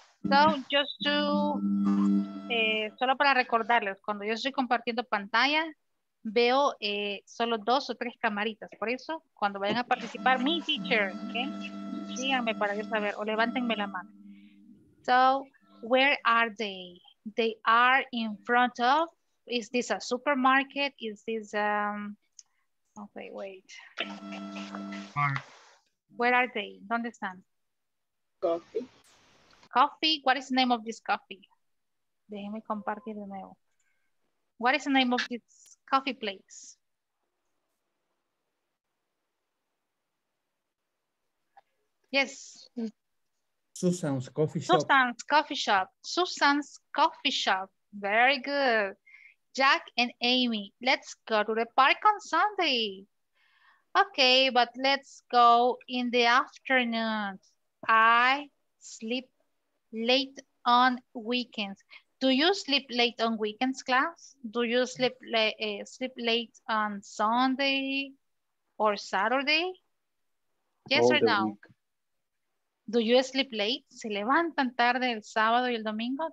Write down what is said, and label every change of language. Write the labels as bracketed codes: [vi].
[en] So, just to, [es] solo para recordarles, cuando yo estoy compartiendo pantalla, veo solo dos o tres camaritas. Por eso, cuando vayan a participar, mi teacher, okay, díganme para yo saber, o levántenme la mano. [en] So, where are they? They are in front of, is this a supermarket? Is this, okay, wait. Where are they? [es] ¿Dónde están? [en] Coffee, what is the name of this coffee? [es] Déjenme compartir de nuevo. [en] What is the name of this coffee place? Yes. Susan's coffee shop. Very good. Jack and Amy, let's go to the park on Sunday. Okay, but let's go in the afternoon. I sleep late on weekends. Do you sleep late on weekends, class? Do you sleep sleep late on Sunday or Saturday? Yes or no? Do you sleep late? [es] ¿Se levantan tarde el sábado y el domingo?